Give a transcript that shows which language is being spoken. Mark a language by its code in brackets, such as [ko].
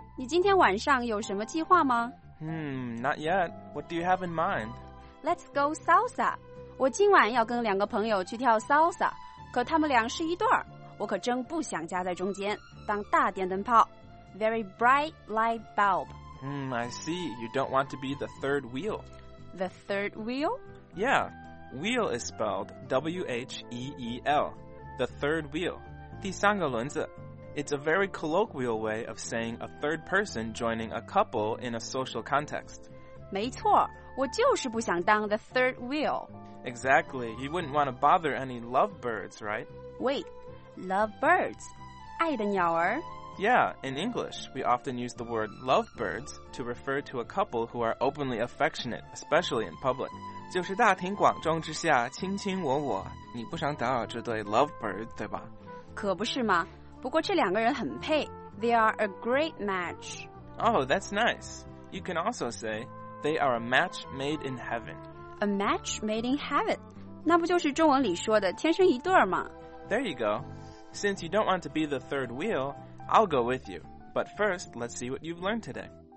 [zh] 你今天晚上有什么计划吗？ [en] Not yet. What do you have in mind? Let's go salsa. [zh] 我今晚要跟两个朋友去跳 salsa， 可他们俩是一对儿，我可真不想夹在中间当大电灯泡。 [en] Very bright light bulb. I see. You don't want to be the third wheel. The third wheel? Yeah. Wheel is spelled W-H-E-E-L. The third wheel. [zh] 第三个轮子。 [en] It's a very colloquial way of saying a third person joining a couple in a social context. [zh] 没错，我就是不想当 [en] the third wheel. Exactly. You wouldn't want to bother any lovebirds, right? Wait. Lovebirds? [zh] 爱的鸟儿? [en] Yeah. In English, we often use the word lovebirds to refer to a couple who are openly affectionate, especially in public. [zh] 就是大庭广众之下卿卿我我，你不想打扰这对 lovebird, 对吧？可不是吗？不过这两个人很配。 [en] They are a great match. Oh, that's nice. You can also say, they are a match made in heaven. A match made in heaven. [zh] 那不就是中文里说的天生一对吗？ [en] There you go. Since you don't want to be the third wheel, I'll go with you. But first, let's see what you've learned today.